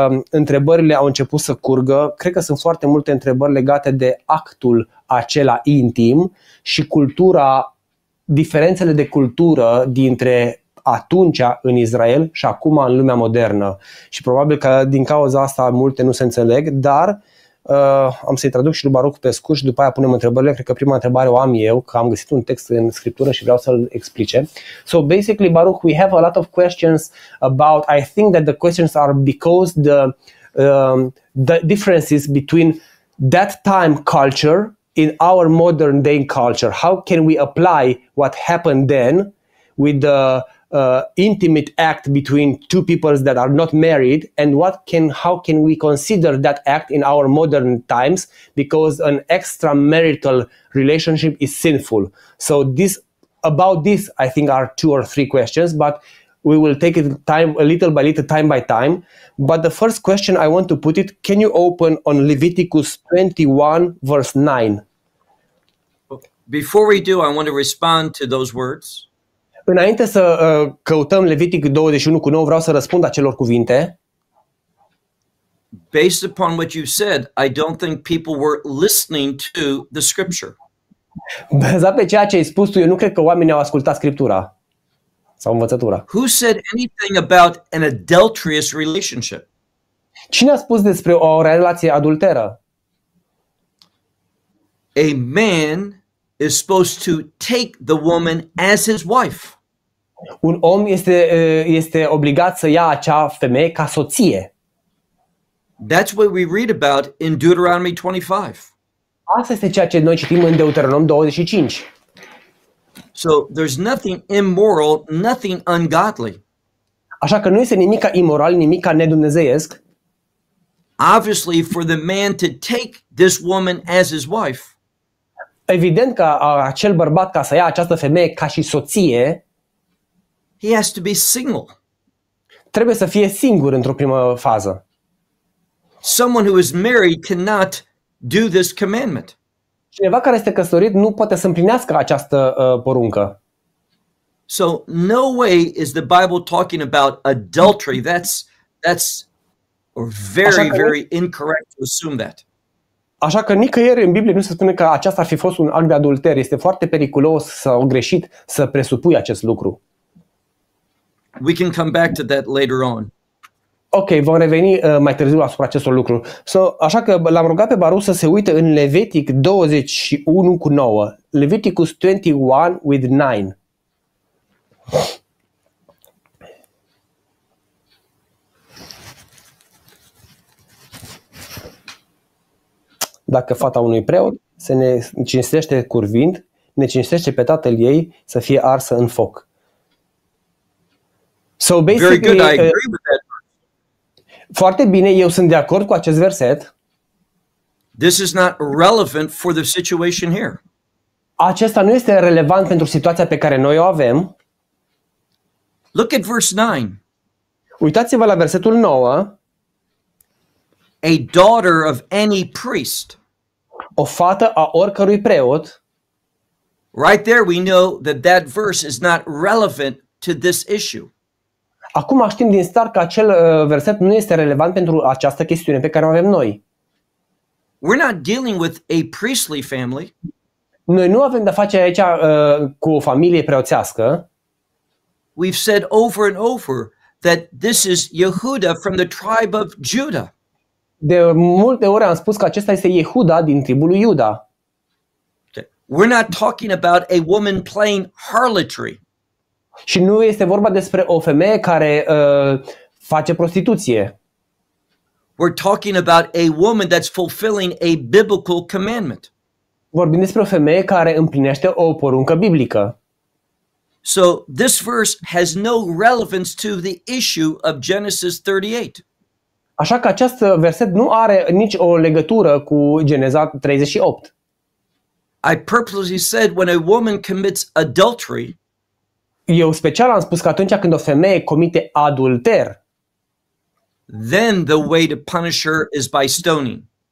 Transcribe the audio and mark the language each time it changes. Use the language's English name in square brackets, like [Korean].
[Romanian] Întrebările au început să curgă. Cred că sunt foarte multe întrebări legate de actul acela intim și cultura, diferențele de cultură dintre atunci în Israel și acum în lumea modernă. Și probabil că din cauza asta multe nu se înțeleg, dar am să-i traduc și lui Baruch pe scurt și după aia punem întrebările. Cred că prima întrebare o am eu, că am găsit un text în scriptură și vreau să-l explice. [English] So basically, Baruch, we have a lot of questions about, I think that the questions are because the differences between that time culture in our modern day culture. How can we apply what happened then with the intimate act between two peoples that are not married, and how can we consider that act in our modern times, because an extramarital relationship is sinful. So this, about this, I think are two or three questions, but we will take it time, a little by little, time by time. But the first question I want to put it, can you open on Leviticus 21 verse 9? Before we do, I want to respond to those words. [Romanian] Înainte să căutăm Levitic 21 cu 9, vreau să răspund acelor cuvinte. [English] Based upon what you said, I don't think people were listening to the scripture. [Romanian] Bazat pe ceea ce ai spus tu, eu nu cred că oamenii au ascultat scriptura sau învățătura. [English] Who said anything about an adulterous relationship? [Romanian] Cine a spus despre o relație adulteră? [English] A man is supposed to take the woman as his wife. [Romanian] Un om este obligat să ia acea femeie ca soție. [English] That's what we read about in Deuteronomy 25. [Romanian] Asta este ceea ce noi citim în Deuteronom 25. [English] So there's nothing immoral, nothing ungodly. [Romanian] Așa că nu este nimic imoral, nimic nedumnezeiesc. [English] Obviously for the man to take this woman as his wife. [Romanian] Evident că acel bărbat ca să ia această femeie ca și soție, [English] he has to be single. [Romanian] Trebuie să fie singur într-o primă fază. [English] Someone who is married cannot do this commandment. [Romanian] Cineva care este căsătorit nu poate să împlinească această poruncă. [English] So no way is the Bible talking about adultery. That's very, very incorrect to assume that. [Romanian] Așa că nicăieri în Biblie nu se spune că aceasta ar fi fost un act de adulter. Este foarte periculos sau greșit să presupui acest lucru. [English] We can come back to that later on. [Romanian] Ok, vom reveni mai târziu asupra acestor lucruri. So, așa că l-am rugat pe Baruch să se uite în Levitic 21 cu 9. [English] Leviticus 21 with 9. [Romanian] Dacă fata unui preot se ne cinstește curvind, ne cinstește pe tatăl ei să fie arsă în foc. [English] So basically, very good. I agree with that. [Romanian] Foarte bine, eu sunt de acord cu acest verset. [English] This is not relevant for the situation here. [Romanian] Acesta nu este relevant pentru situația pe care noi o avem. [English] Look at verse 9. [Romanian] Uitați-vă la versetul 9. [English] A daughter of any priest. [Romanian] O fată a oricărui preot. [English] Right there we know that that verse is not relevant to this issue. [Romanian] Acum știm din start că acel verset nu este relevant pentru această chestiune pe care o avem noi. [English] We're not dealing with a priestly family. [Romanian] Noi nu avem de-a face aici cu o familie preoțească. [English] We've said over and over that this is Yehuda from the tribe of Judah. [Romanian] De multe ori am spus că acesta este Yehuda din tribul lui Iuda. [English] We're not talking about a woman playing harlotry. [Romanian] Și nu este vorba despre o femeie care face prostituție. [English] We're talking about a woman that's fulfilling a biblical commandment. [Romanian] Vorbim despre o femeie care împlinește o poruncă biblică. [English] So this verse has no relevance to the issue of Genesis 38. [Romanian] Așa că acest verset nu are nici o legătură cu Geneza 38. [English] I purposely said when a woman commits adultery. [Romanian] Eu special am spus că atunci când o femeie comite adulter, [English] then the way to punish her is by stoning.